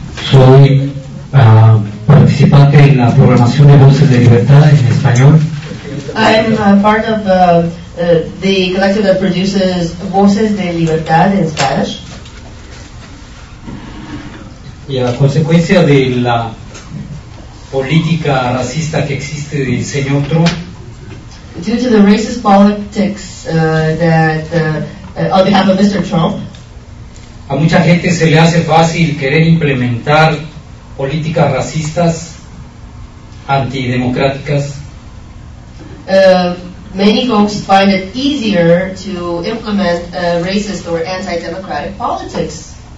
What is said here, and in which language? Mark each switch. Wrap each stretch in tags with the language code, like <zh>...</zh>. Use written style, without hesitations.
<es>Soy participante en la programación de Voces de Libertad en español.</es> <en>I'm part of the collective that produces Voces de Libertad in Spanish.</en> <es>Y a consecuencia de la política racista que existe del señor Trump.</es> <en>Due to the racist politics on behalf of Mr. Trump,</en> <es>a mucha gente se le hace fácil querer implementar políticas racistas, antidemocráticas.</es> <en>Many folks find it easier to implement racist or anti-democratic politics.</en>